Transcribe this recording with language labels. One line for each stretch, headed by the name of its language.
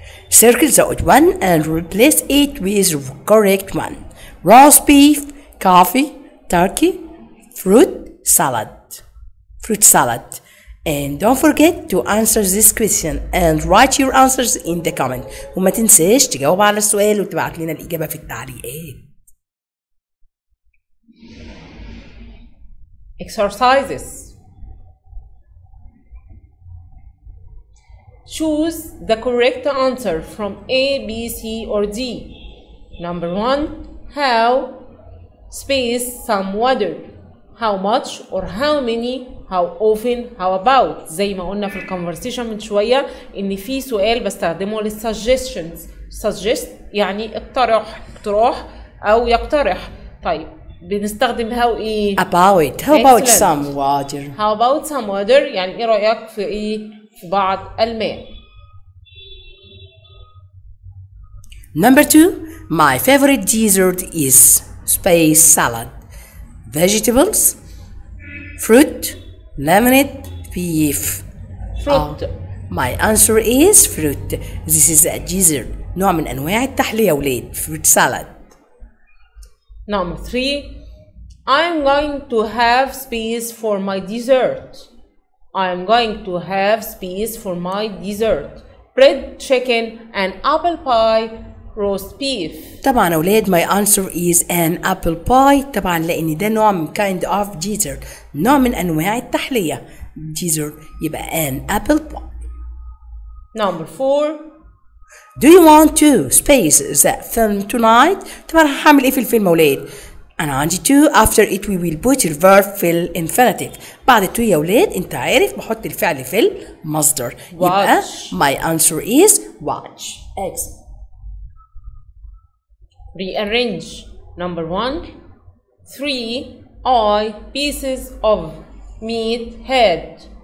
English: Circle the odd one and replace it with the correct one. Roast beef, coffee, turkey, fruit, salad. Fruit salad. And don't forget to answer this question and write your answers in the comment.
Arabic: وما تنساش تجاوب على السؤال وتبعت لنا الإجابة في التعليقات.
English: Exercises. Choose the correct answer from A, B, C, or D. Number one, how, space, some water. How much or how many, how often, how about.
Arabic: زي ما قلنا في الconversation من شوية ان في سؤال بستخدمه للsuggestions. Suggest يعني اقترح, اقتراح او يقترح. طيب بنستخدم how ايه؟
English: About. How about some water? How about some water؟
Arabic: يعني ايه رأيك في ايه؟ في بعض الماء.
English: Number two, my favorite dessert is space salad. Vegetables, fruit, lemonade, beef. Fruit. My answer is fruit. This is a dessert.
Arabic: نوع من أنواع التحلية ولاد.
English: Fruit salad. Number three, I'm going to have space for my dessert. I'm going to have space for my dessert. Bread, chicken, and apple pie. Roast beef.
Arabic: طبعا أولاد
English: my answer is an apple pie.
Arabic: طبعا لأن ده نوع من
English: kind of dessert.
Arabic: نوع من أنواع التحلية. Dessert يبقى
English: an apple pie. Number four. Do you want to space the film tonight?
Arabic: طبعا هعمل إيه في الفيلم أولاد. أنا عندي
English: to. After it we will put your verb
Arabic: في الانفينيتيف. بعد to يا أولاد أنت عارف بحط الفعل في المصدر.
English: Watch. يبقى my answer is watch. Excellent. Rearrange. Number one, three I pieces of meat had.